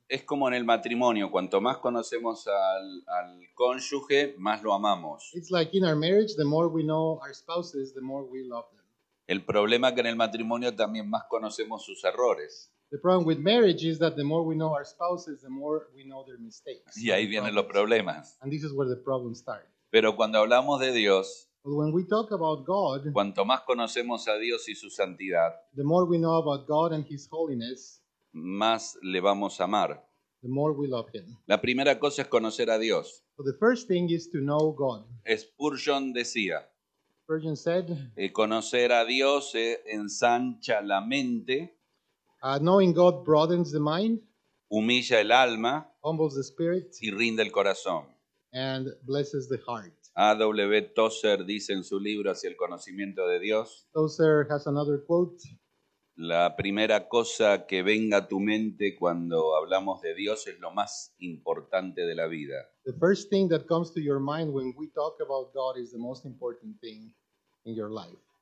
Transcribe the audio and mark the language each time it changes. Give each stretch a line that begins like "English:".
Spanish: Es como en el matrimonio, cuanto más conocemos al cónyuge, más lo amamos.
English: It's like in our marriage, the more we know our spouses, the more we love them.
Spanish: El problema es que en el matrimonio también más conocemos sus errores.
English: The problem with marriage is that the more we know our spouses, the more we know their mistakes.
Spanish: Y ahí vienen los problemas.
English: And this is where the problems start.
Spanish: Pero cuando hablamos de Dios,
English: when we talk about God,
Spanish: cuanto más conocemos a Dios y su santidad,
English: the more we know about God and His holiness,
Spanish: más le vamos a amar.
English: The more we love Him.
Spanish: La primera cosa es conocer a Dios.
English: So the first thing is to know God.
Spanish: Spurgeon decía,
English: Spurgeon said,
Spanish: conocer a Dios ensancha la mente,
English: knowing God broadens the mind,
Spanish: humilla el alma,
English: humbles the spirit,
Spanish: y rinde el corazón,
English: and blesses the heart.
Spanish: A.W. Tozer dice en su libro Hacia el conocimiento de Dios,
English: Tozer has another quote,
Spanish: la primera cosa que venga a tu mente cuando hablamos de Dios es lo más importante de la vida.
English: The first thing that comes to your mind when we talk about God is the most important thing in your life.